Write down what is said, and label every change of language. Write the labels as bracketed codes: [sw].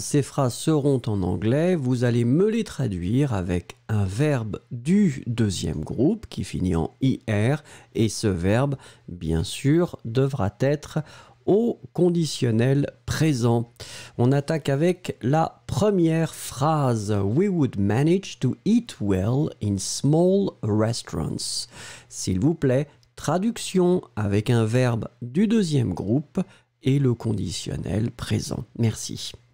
[fr] Ces phrases seront en anglais. Vous allez me les traduire avec un verbe du deuxième groupe qui finit en IR. Et ce verbe, bien sûr, devra être au conditionnel présent. On attaque avec la première phrase. [en] We would manage to eat well in small restaurants. [fr] S'il vous plaît. Traduction avec un verbe du deuxième groupe et le conditionnel présent. Merci.